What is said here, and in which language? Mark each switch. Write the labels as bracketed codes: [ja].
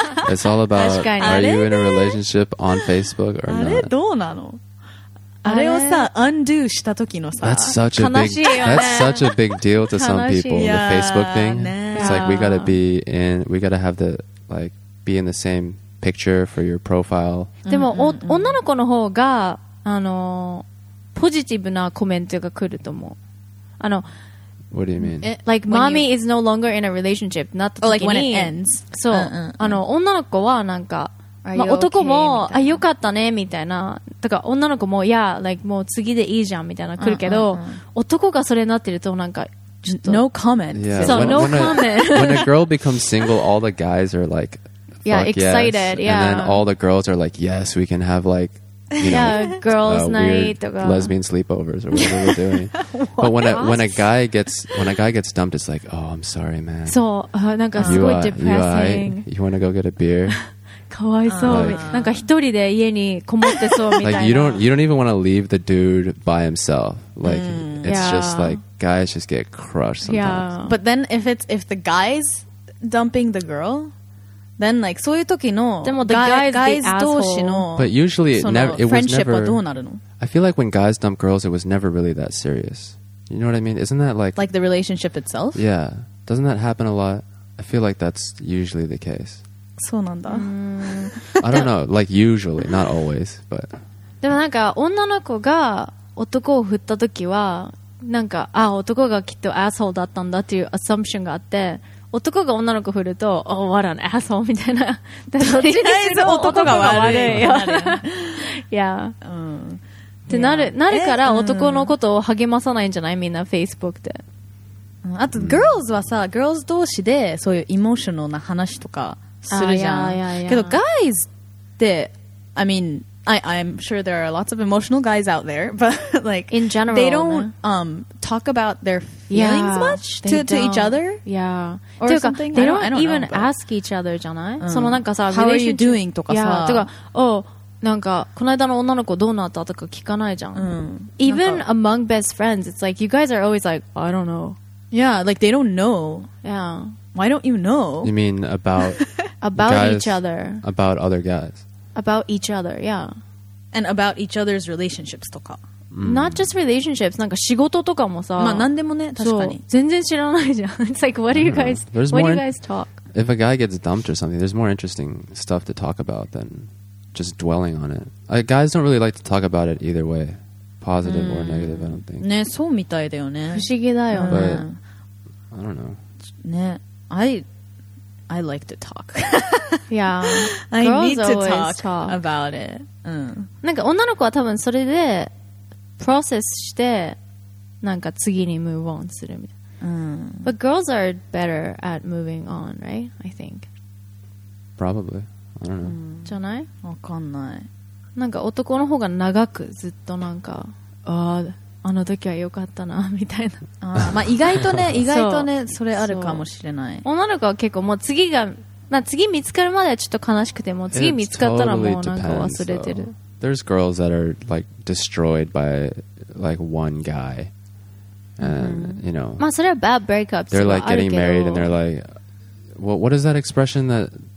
[en] It's all about are you in a relationship on Facebook or not? [ja] あれどうなの？あれをさ undo した時のさ、 [en] that's such a big that's such a big deal to some people the Facebook thing. It's like we gotta have the like be in the same picture for your profile. [ja] でも女の子の方があのポジティブなコメントが来ると思う。あの [en] What do you mean? Like, when mommy is no longer in a relationship. Not the like when it ends. [ja] So, あの女の子はなんか、まあ、男も、あ、よかったね、みたいな。とか、女の子も、いや、like, もう次でいいじゃん、みたいな来るけど、男がそれになってると、なんか、 [en] No comment. Yeah. So when, when a girl becomes single, all the guys are like, excited. Yeah. And then all the girls are like, yes, we can have like, you know, girls' night, weird lesbian sleepovers, or whatever we're doing. What? But when a guy gets dumped, it's like, oh, I'm sorry, man. So, depressing. You want to go get a beer? Like you don't even want to leave the dude by himself. Like it's just like guys just get crushed sometimes. Yeah. But then if the guy's dumping the girl, then like so But usually it was never I feel like when guys dump girls, it was never really that serious. You know what I mean? Isn't that like the relationship itself? Yeah. Doesn't that happen a lot? I feel like that's usually the case. [ja] そうなんだ。 [en] I don't know, like usually, not always, but. [ja] でもなんか女の子が男を振った時はなんかあ男がきっとアッソルだったんだっていうアサンプションがあって、男が女の子振ると、 [en] oh, what an asshole [ja] みたいな。とりあえず男が悪い。いや。ってなるから男のことを励まさないんじゃない、みんな Facebook で。あと girls はさ、girls 同士でそういうエモーショナルな話とか。するじゃん。けど [en] guys って I mean I'm sure there are lots of emotional guys out there, but like in general they don't talk about their feelings much to each other. Yeah. Or something. They don't even ask each other [ja] じゃない？そのなんかさ、 [en] How are you doing [ja] とかさ、てか、oh なんかこの間の女の子どうなったとか聞かないじゃん。 [en] Even among best friends, it's like you guys are always like I don't know. Yeah, like they don't know. Yeah. Why don't you know? You mean about about guys, each other. About other guys. About each other, yeah. And about each other's relationships [ja] とか。 [en] Not just relationships, [ja] なんか仕事とかもさ。まあ何でもね、確かに。全然知らないじゃん。 [en] It's like, what do you guys, do you guys talk? If a guy gets dumped or something, there's more interesting stuff to talk about than just dwelling on it. Guys don't really like to talk about it either way. Positive or negative, I don't think. [ja] ね、そうみたいだよね。不思議だよね。 [en] But, I don't know. ね。I like to talk. Yeah. I girls need to always talk about it. [ja] なんか女の子は多分それでプロセスしてなんか次にムーブオンするみたいな。 [en] But girls are better at moving on, right? I think. Probably. I don't know. [ja] じゃない？わかんない。なんか男の方が長くずっとなんかあの時は良かったなみたいな。あ、まあ、意外とね、意外とね、それあるかもしれない。女の子は結構もう次が、まあ、次見つかるまではちょっと悲しくても、次見つかったらもうなんか忘れてる。 [en] There's girls that are like destroyed by like one guy, and you know. [ja] まあそれは bad breakups。 [en] They're like getting married and they're like, what is that expression that?